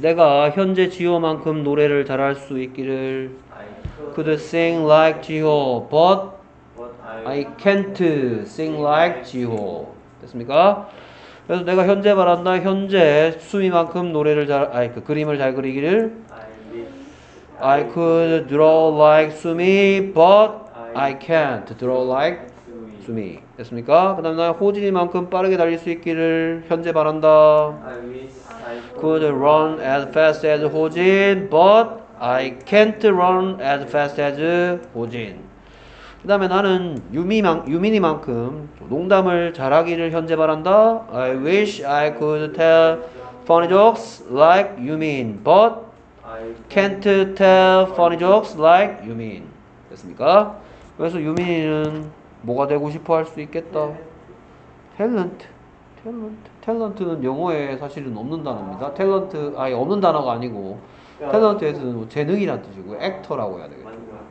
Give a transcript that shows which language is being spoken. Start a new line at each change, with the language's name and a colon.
Korean: 내가 현재 지호만큼 노래를 잘할 수 있기를.
English: Could sing like 지호, but I can't sing like 지호.
Korean: 됐습니까? 그래서 내가 현재 바란다. 현재 수미만큼 노래를 잘, 아니, 그 그림을 잘 그리기를.
English: I could draw like 수미, but I can't draw like 수미.
Korean: 됐습니까? 그 다음에 호진이만큼 빠르게 달릴 수 있기를 현재 바란다.
English: Could run as fast as 호진, but I can't run as fast as 호진.
Korean: 그 다음에 나는 유민이만큼 농담을 잘하기를 현재 바란다.
English: I wish I could tell funny jokes like 유민, but can't tell funny jokes like you mean.
Korean: 됐습니까? 그래서 유민이는 뭐가 되고 싶어 할 수 있겠다. 탤런트. 탤런트. 탤런트는 영어에 사실은 없는 단어입니다. 탤런트, 아니 없는 단어가 아니고 탤런트에서는 뭐 재능이란 뜻이고 액터라고 해야 되겠죠.